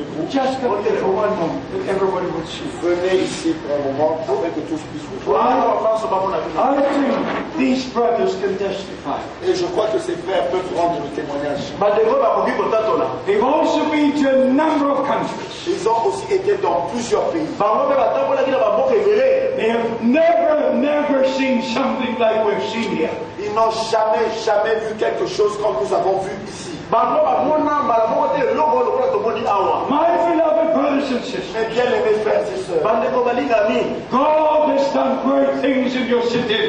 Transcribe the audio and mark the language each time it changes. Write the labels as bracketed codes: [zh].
[en] Just come here for one moment, that everybody would see. [fr] Venez ici pour un moment, afin que tous puissent vous voir. [en] I think these brothers can testify. [fr] Et je crois que ces frères peuvent rendre le témoignage. [en] But they were about people that are. They've also been to a number of countries. [fr] Ils ont aussi été dans plusieurs pays. [en] They have never seen something like we've seen here. [fr] Ils n'ont jamais vu quelque chose comme nous avons vu ici. [en] My beloved brothers and sisters, God has done great things in your city.